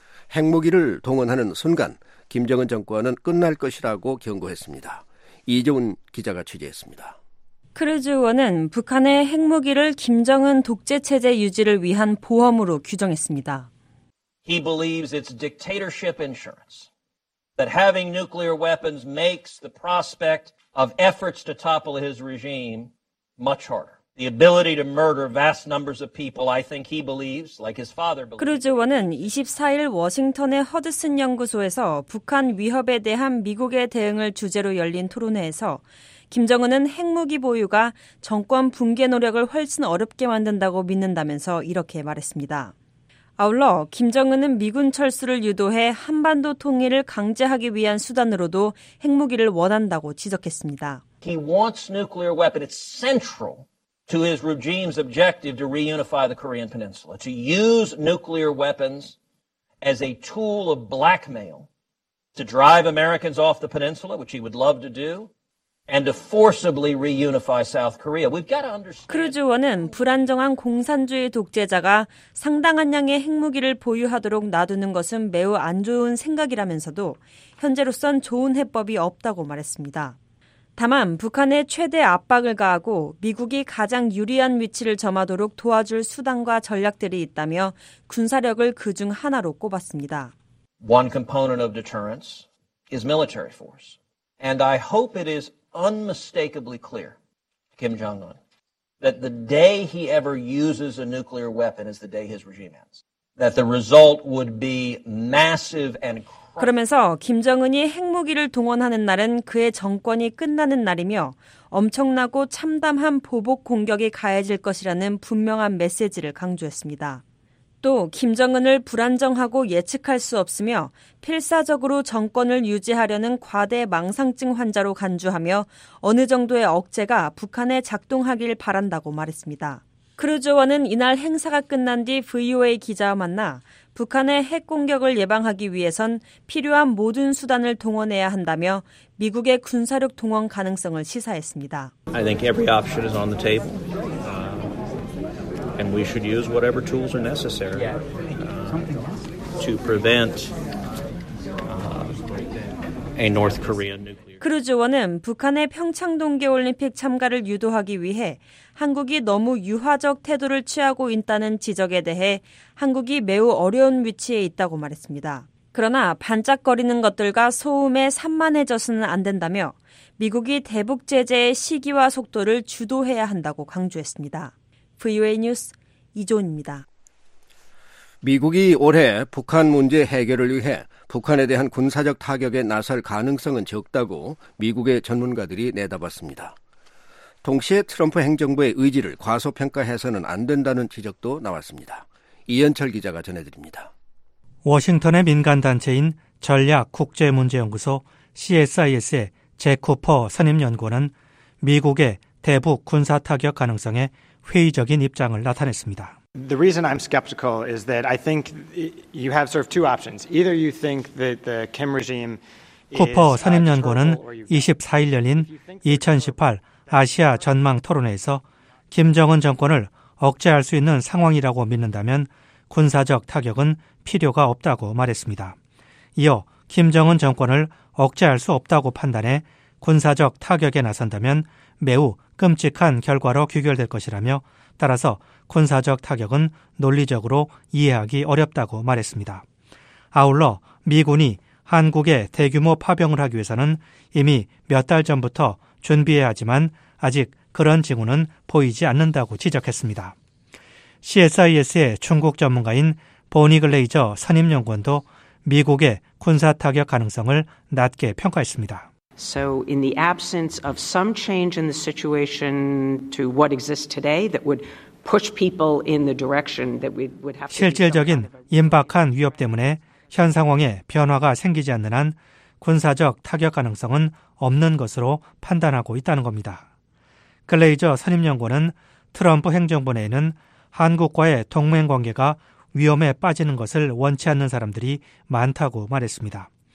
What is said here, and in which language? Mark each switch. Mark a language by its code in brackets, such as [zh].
[ko] 핵무기를 동원하는 순간 김정은 정권은 끝날 것이라고 경고했습니다. 이재훈 기자가 취재했습니다. 크루즈 의원은 북한의 핵무기를 김정은 독재체제 유지를 위한 보험으로 규정했습니다. [en] He believes it's dictatorship insurance. That having nuclear weapons makes the prospect of efforts to topple his regime much harder. The ability to murder vast numbers of people, I think he believes, like his father believes. [ko] 크루즈 의원은 24일 워싱턴의 허드슨 연구소에서 북한 위협에 대한 미국의 대응을 주제로 열린 토론회에서 김정은은 핵무기 보유가 정권 붕괴 노력을 훨씬 어렵게 만든다고 믿는다면서 이렇게 말했습니다. 아울러 김정은은 미군 철수를 유도해 한반도 통일을 강제하기 위한 수단으로도 핵무기를 원한다고 지적했습니다. [en] He wants nuclear weapon. It's central to his regime's objective to reunify the Korean Peninsula. To use nuclear weapons as a tool of blackmail to drive Americans off the peninsula, which he would love to do. And to forcibly reunify South Korea. We've got to understand. [ko] 크루즈 의원은 불안정한 공산주의 독재자가 상당한 양의 핵무기를 보유하도록 놔두는 것은 매우 안 좋은 생각이라면서도 현재로선 좋은 해법이 없다고 말했습니다. 다만 북한에 최대 압박을 가하고 미국이 가장 유리한 위치를 점하도록 도와줄 수단과 전략들이 있다며 군사력을 그중 하나로 꼽았습니다. [en] One component of deterrence is military force. And I hope it is unmistakably clear, Kim Jong-un, that the day he ever uses a nuclear weapon is the day his regime ends. that the result would be massive and [ko] 그러면서 김정은이 핵무기를 동원하는 날은 그의 정권이 끝나는 날이며 엄청나고 참담한 보복 공격이 가해질 것이라는 분명한 메시지를 강조했습니다. 또 김정은을 불안정하고 예측할 수 없으며 필사적으로 정권을 유지하려는 과대 망상증 환자로 간주하며 어느 정도의 억제가 북한에 작동하길 바란다고 말했습니다. 크루즈원은 이날 행사가 끝난 뒤 VOA 기자와 만나 북한의 핵 공격을 예방하기 위해선 필요한 모든 수단을 동원해야 한다며 미국의 군사력 동원 가능성을 시사했습니다. [en] I think every option is on the table. And we should use whatever tools are necessary to prevent a North Korean nuclear. [ko] 크루즈 의원은 북한의 평창 동계 올림픽 참가를 유도하기 위해 한국이 너무 유화적 태도를 취하고 있다는 지적에 대해 한국이 매우 어려운 위치에 있다고 말했습니다. 그러나 반짝거리는 것들과 소음에 산만해져서는 안 된다며 미국이 대북 제재의 시기와 속도를 주도해야 한다고 강조했습니다. VOA 뉴스 이조은입니다. 미국이 올해 북한 문제 해결을 위해 북한에 대한 군사적 타격에 나설 가능성은 적다고 미국의 전문가들이 내다봤습니다. 동시에 트럼프 행정부의 의지를 과소평가해서는 안 된다는 지적도 나왔습니다. 이현철 기자가 전해드립니다. 워싱턴의 민간단체인 전략국제문제연구소 CSIS의 잭 쿠퍼 선임연구원은 미국의 대북 군사타격 가능성에 회의적인 입장을 나타냈습니다. [en] The reason I'm skeptical is that I think you have sort of two options. Either you think that the Kim regime is [ko] 쿠퍼 선임연구원은 24일 열린 2018 아시아 전망 토론회에서 김정은 정권을 억제할 수 있는 상황이라고 믿는다면 군사적 타격은 필요가 없다고 말했습니다. 이어 김정은 정권을 억제할 수 없다고 판단해 군사적 타격에 나선다면 매우 끔찍한 결과로 귀결될 것이라며 따라서 군사적 타격은 논리적으로 이해하기 어렵다고 말했습니다. 아울러 미군이 한국에 대규모 파병을 하기 위해서는 이미 몇 달 전부터 준비해야 하지만 아직 그런 징후는 보이지 않는다고 지적했습니다. CSIS의 중국 전문가인 보니 글레이저 선임연구원도 미국의 군사 타격 가능성을 낮게 평가했습니다. [en] So in the absence of some change in the situation to what exists today that would push people in the direction that we would have to [ko] 실질적인 임박한 위협 때문에 현 상황에 변화가 생기지 않는 한 군사적 타격 가능성은 없는 것으로 판단하고 있다는 겁니다. 글레이저 선임연구원은 트럼프 행정부 내에는 한국과의 동맹 관계가 위험에 빠지는 것을 원치 않는 사람들이 많다고 말했습니다.